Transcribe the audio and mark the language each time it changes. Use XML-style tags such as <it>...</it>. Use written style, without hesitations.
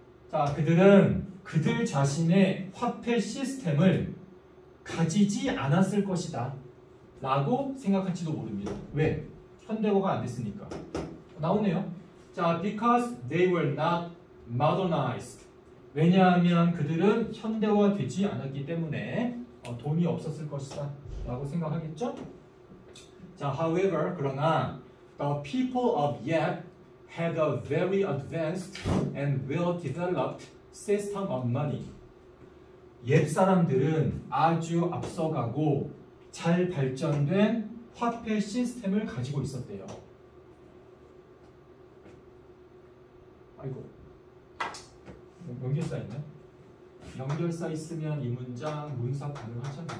<ko>자, 그들은 그들 자신의 화폐 시스템을 가지지 않았을 것이다 라고 생각할지도 모릅니다. 왜? 현대화가 안 됐으니까. 나오네요. 자,</ko> <en>because they were not modernized.</en> <ko>왜냐하면 그들은 현대화 되지 않았기 때문에 돈이 없었을 것이다 라고 생각하겠죠?</ko> <en>자, however, 그러나 the people of yet had a very advanced and well-developed system of money.</en> <ko>옛 사람들은 아주 앞서가고 잘 발전된 화폐 시스템을 가지고 있었대요. 아이고, 연결사 있나? 연결사 있으면 이 문장 문사 가능하잖아.</ko>